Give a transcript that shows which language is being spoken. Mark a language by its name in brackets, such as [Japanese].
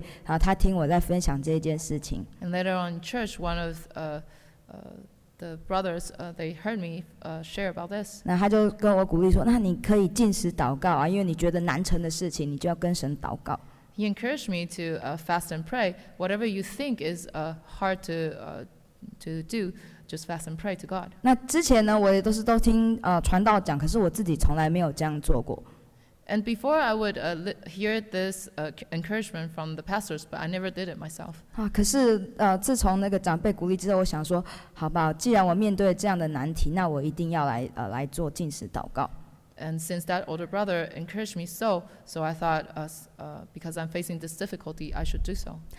[Chinese] 那后来呢，在教会里面有一个长辈，他听我在分享这件事情。 [English] And later on in church, one of the brothers, they heard me share about this. [Chinese] 那他就跟我鼓励说，那你可以禁食祷告啊，因为你觉得难成的事情，你就要跟神祷告。 [English] He encouraged me to fast and pray. Whatever you think is hard to do, just fast and pray to God. [Chinese] 那之前呢，我也都是都听传道讲，可是我自己从来没有这样做过。 [English] And before I would hear this encouragement from the pastors, but I never did it myself. [Chinese] 可是自从那个长辈鼓励之后，我想说，好吧，既然我面对这样的难题，那我一定要来做禁食祷告。 [English] And since that older brother encouraged me so I thought, because I'm facing this difficulty, I should do so.